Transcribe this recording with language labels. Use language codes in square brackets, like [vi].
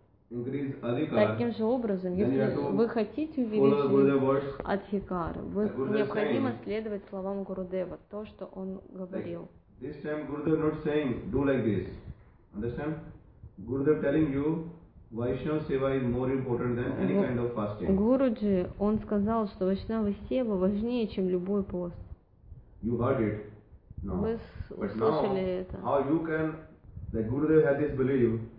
[ru] Таким же образом, если вы хотите увеличить адхикар, вы необходимо следовать словам Гурудева, то, что он говорил. [en] This time Gurudev not saying do like this. Understand? Gurudev telling you Vaishnava seva is more important than any kind of fasting. [ru] Гуруджи, он сказал, что Вайшнава сева важнее, чем любой пост. [en] You heard it. No. [ru] Вы услышали это. [en] How you can, like Gurudev had this belief.